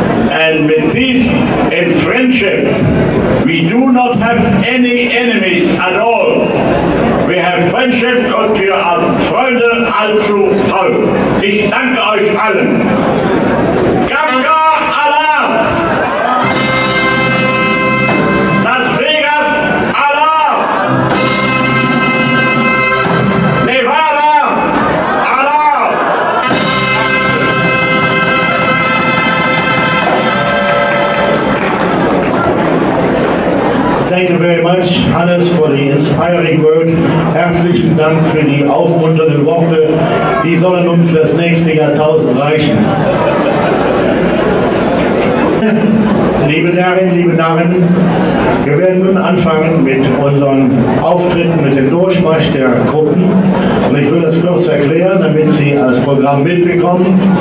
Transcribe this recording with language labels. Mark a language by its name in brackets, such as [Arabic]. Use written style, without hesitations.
[English] And with peace and friendship, we do not have any enemies at all. We have friendship [German] und wir haben Freunde allzu toll. Ich danke euch allen. GAMGA Alarm! Las Vegas Alarm! Nevada Alarm! [English] Thank you very much, Hannes, for the inspiring word. [German] Herzlichen Dank für die aufmunternden Worte. Die sollen uns für das nächste Jahrtausend reichen. Liebe Herren, liebe Damen, wir werden nun anfangen mit unseren Auftritten, mit dem Durchmarsch der Gruppen. Und ich will das kurz erklären, damit Sie das Programm mitbekommen.